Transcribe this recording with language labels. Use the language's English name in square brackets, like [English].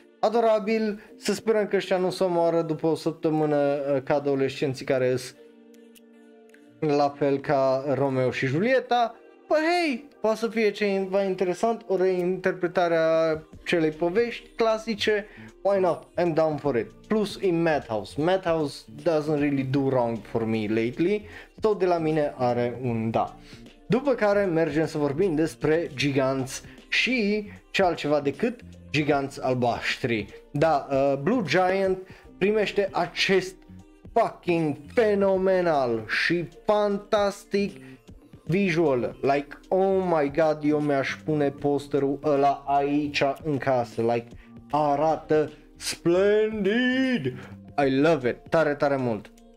[Romanian] Adorabil, să sperăm că ăștia nu se omoară după o săptămână ca adolescenții care sunt la fel ca Romeo și Julieta. Păi hei, poate să fie ceva interesant, o reinterpretare a celei povești clasice. [English] Why not? I'm down for it. Plus [Romanian] e [English] Madhouse. Madhouse doesn't really do wrong for me lately. [Romanian] Tot de la mine are un da. După care mergem să vorbim despre giganți și ce altceva decât giganți albaștri. Da, Blue Giant primește acest fucking fenomenal și fantastic visual, like, [English] oh my god, [Romanian] eu mi-aș pune posterul ăla aici în casă, like, arată splendid, [English] I love it, [Romanian] tare, tare mult.